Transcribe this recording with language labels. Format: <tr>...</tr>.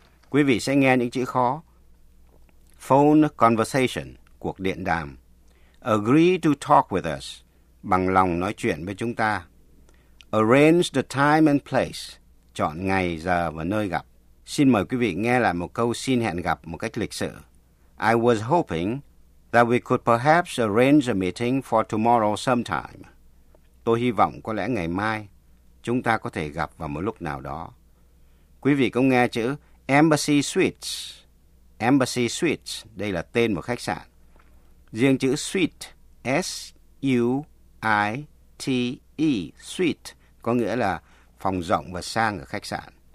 <vi>Quý vị sẽ nghe những chữ khó. Phone conversation, cuộc điện đàm.</vi> <en>Agree to talk with us,</en> <vi>bằng lòng nói chuyện với chúng ta.</vi> <en>Arrange the time and place,</en> <vi>chọn ngày, giờ và nơi gặp. Xin mời quý vị nghe lại một câu xin hẹn gặp một cách lịch sự.</vi> <en>I was hoping that we could perhaps arrange a meeting for tomorrow sometime.</en> <vi>Tôi hy vọng có lẽ ngày mai chúng ta có thể gặp vào một lúc nào đó. Quý vị cũng nghe chữ Embassy Suites. Embassy Suites, đây là tên một khách sạn. Riêng chữ suite, S-U-I-T-E, suite, có nghĩa là phòng rộng và sang ở khách sạn.</vi>